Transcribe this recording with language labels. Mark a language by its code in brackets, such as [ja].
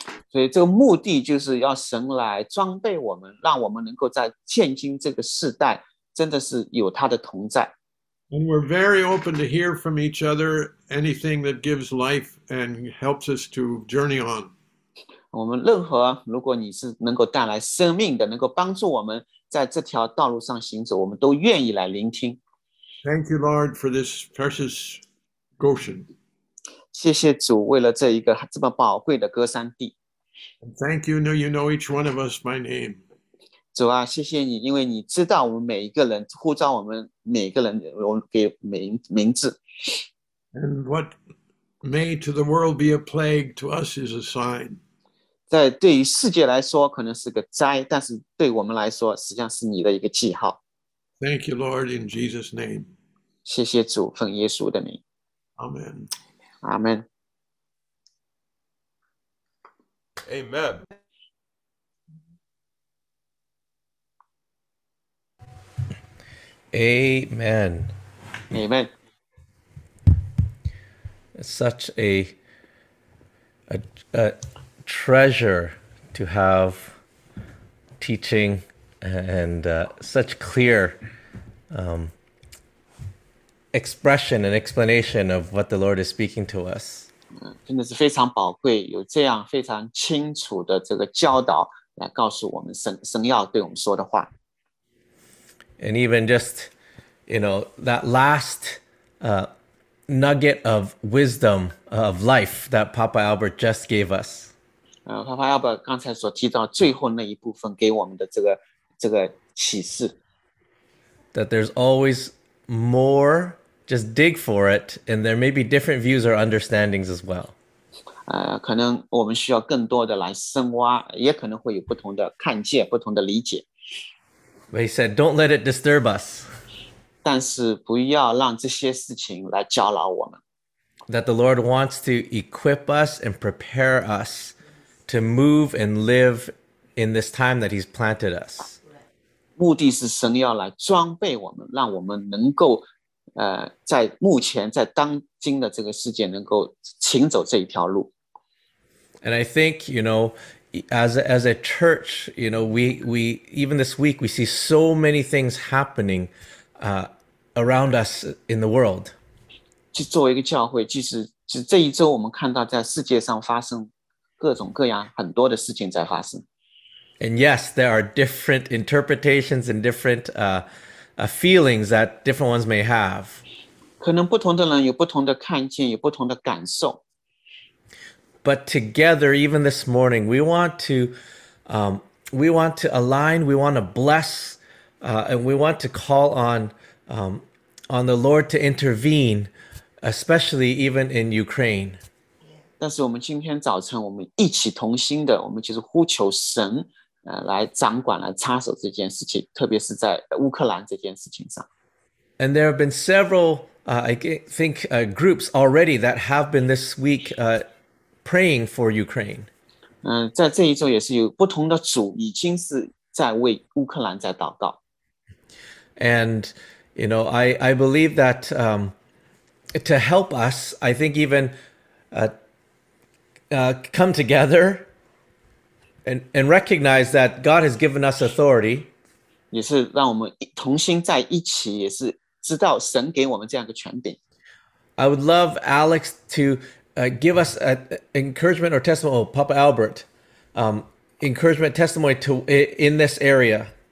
[zh] 所以这个目的就是要神来装备我们，让我们能够在现今这个时代，真的是有他的同在。 [en] And we're very open to hear from each other anything that gives life and helps us to journey on. [zh] 我们任何，如果你是能够带来生命的，能够帮助我们在这条道路上行走，我们都愿意来聆听。 [en] Thank you, Lord, for this precious Goshen. [zh] 谢谢主为了这一个这么宝贵的歌山地。 [en] And thank you, now you know each one of us by name. [zh] 主啊，谢谢你，因为你知道我们每一个人，呼召我们每个人，我给名字。 [en] And what may to the world be a plague to us is a sign. [zh] 在对于世界来说可能是个灾，但是对我们来说实际上是你的一个记号。 [en] Thank you, Lord, in Jesus' name. [zh] 谢谢主，奉耶稣的名。 [en] Amen. Amen. Amen. Amen. Amen. Such a treasure to have teaching and such clear expression and explanation of what the Lord is speaking to us. [zh] 真的是非常宝贵，有这样非常清楚的这个教导来告诉我们神要对我们说的话。 [en] And even just, you know, that last nugget of wisdom of life that Papa Albert just gave us. [zh] Papa Albert 刚才所提到最后那一部分给我们的这个启示。 [en] That there's always more, just dig for it, and there may be different views or understandings as well. [zh] 可能我们需要更多的来深挖，也可能会有不同的看见，不同的理解。 [en] But he said, don't let it disturb us. [zh] 但是不要让这些事情来搅扰我们。 [en] That the Lord wants to equip us and prepare us to move and live in this time that he's planted us. [zh] 目的是神要来装备我们，让我们能够在目前在当今的这个世界能够行走这一条路。 [en] And I think, you know,As a church, you know, we even this week we see so many things happening around us in the world. [zh] 作为一个教会，即使这一周我们看到在世界上发生各种各样很多的事情在发生。 [en] And yes, there are different interpretations and different feelings that different ones may have. [zh] 可能不同的人有不同的看见，有不同的感受。 [en] But together, even this morning, we want to align, we want to bless, and we want to call on the Lord to intervene, especially even in Ukraine. [zh] 但是我们今天早晨，我们一起同心的，我们就是呼求神，来掌管，来插手这件事情，特别是在乌克兰这件事情上。 [en] And there have been several, groups already that have been this week, praying for Ukraine. [zh] 在这一周也是有不同的主已经是在为乌克兰在祷告。 [en] And, you know, I believe that to help us, I think even come together and recognize that God has given us authority. [zh] 也是让我们同心在一起，也是知道神给我们这样的权柄。 [en] I would love Alex to give us an encouragement or testimony, oh, Papa Albert, encouragement, testimony to in this area.